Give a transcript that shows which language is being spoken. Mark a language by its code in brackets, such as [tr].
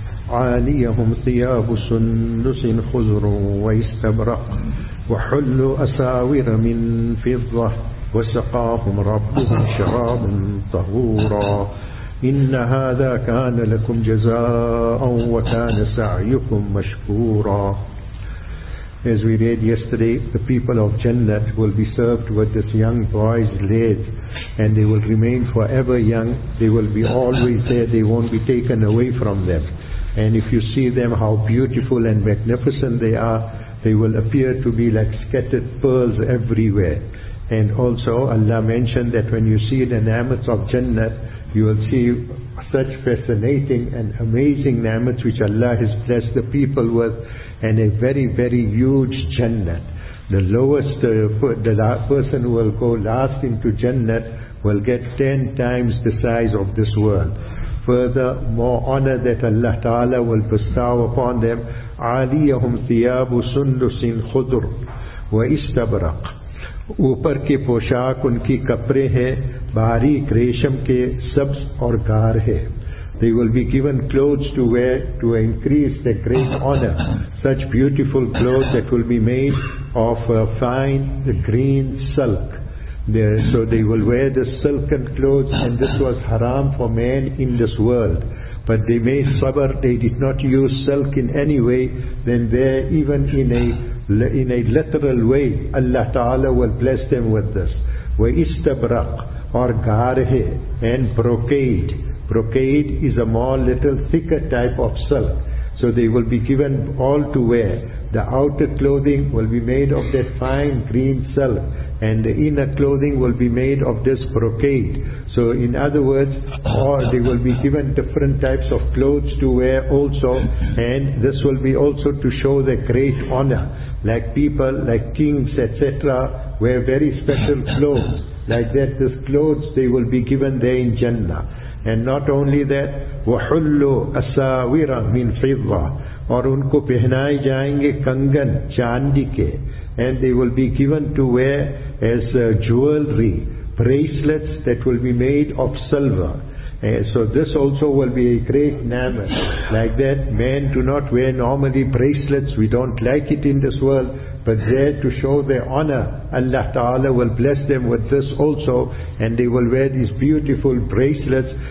[ar] عاليهم ثياب سندس خضر واستبرق وحلوا أساور من فضة وسقاهم ربهم شرابا طهورا إن هذا كان لكم جزاء وكان سعيكم مشكورا. [en] As we read yesterday, the people of Jannat will be served with this young boy's lid, and they will remain forever young. They will be always there. They won't be taken away from them. And if you see them, how beautiful and magnificent they are, they will appear to be like scattered pearls everywhere. And also Allah mentioned that when you see the ni'mat of Jannat, you will see such fascinating and amazing ni'mat which Allah has blessed the people with, and a very, very huge Jannat. The lowest person who will go last into Jannat will get 10 times the size of this world. Further, more honor that Allah Ta'ala will bestow upon them. [ar] عَلِيَهُمْ ثِيَابُ سُنْدُسٍ خُدُرٌ وَإِسْتَبْرَقٌ. [ur] اوپر کے پوشاک ان کی کپرے ہیں, باریک ریشم کے سبز اور گار ہے. [en] They will be given clothes to wear to increase their great honor. Such beautiful clothes that will be made of fine green silk. So they will wear the silken clothes, and this was haram for man in this world. But they made sabr, they did not use silk in any way. Then there, even in a literal way, Allah Ta'ala will bless them with this. وَإِسْتَبْرَقْ or غَارْهِ and brocade. Brocade is a more little thicker type of silk. So they will be given all to wear. The outer clothing will be made of that fine green silk, and the inner clothing will be made of this brocade. So in other words, or they will be given different types of clothes to wear also, and this will be also to show their great honor. Like people, like kings, etc., wear very special clothes. Like that, these clothes they will be given there in Jannah. And not only that, [ar] وَحُلُّ أَسَاوِرَ مِنْ فِضَّةِ [ur] اور ان کو پہنائے جائیں گے کنگن چاندی کے. [en] And they will be given to wear as jewelry, bracelets that will be made of silver. So this also will be a great ni'mat. Like that, men do not wear normally bracelets. We don't like it in this world. But there, to show their honor, Allah Ta'ala will bless them with this also, and they will wear these beautiful bracelets.